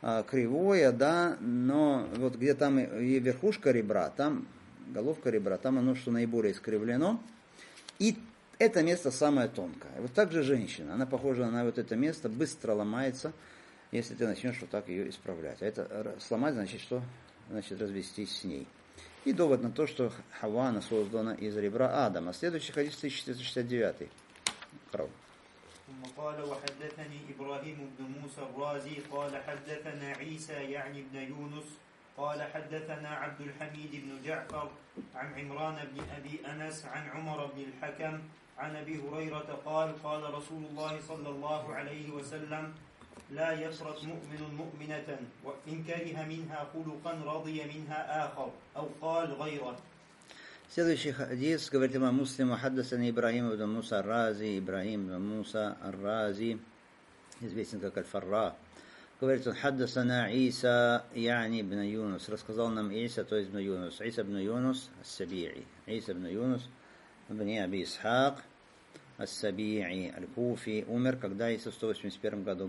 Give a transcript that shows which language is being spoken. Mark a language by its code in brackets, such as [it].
[ru] кривое, да, но вот где там и верхушка ребра, там головка ребра, там оно, что наиболее искривлено, и это место самое тонкое. Вот так же женщина, она похожа на вот это место, быстро ломается, если ты начнешь вот так ее исправлять. А это сломать, значит, что? Значит, развестись с ней. И довод на то, что Хава, она создана из ребра Адама. Следующий хадис 1469. Хорошо. [ar] ثم قال وحدثني إبراهيم بن موسى الرازي قال حدثنا عيسى يعني بن يونس قال حدثنا عبد الحميد بن جعفر عن عمران بن أبي أنس عن عمر بن الحكم عن أبي هريرة قال قال رسول الله صلى الله عليه وسلم لا يفرط مؤمن مؤمنة وإن كره منها خلقا رضي منها آخر أو قال غيره. [ru] Следующий хадис, говорит имам Муслим, хаддасан Ибрахим ибн Муса ар-Рази, Ибрахим ибн Муса ар-Рази, известен как Аль-Фарра. Говорит он, хаддасана Иса, яни ибн Юнус, рассказал нам Иса, то есть ибн Юнус, Иса ибн Юнус, ас-Сабии, Иса ибн Юнус, ибн Аби Исхак, ас-Сабии, аль-Куфи, умер, когда Иса в 181 году.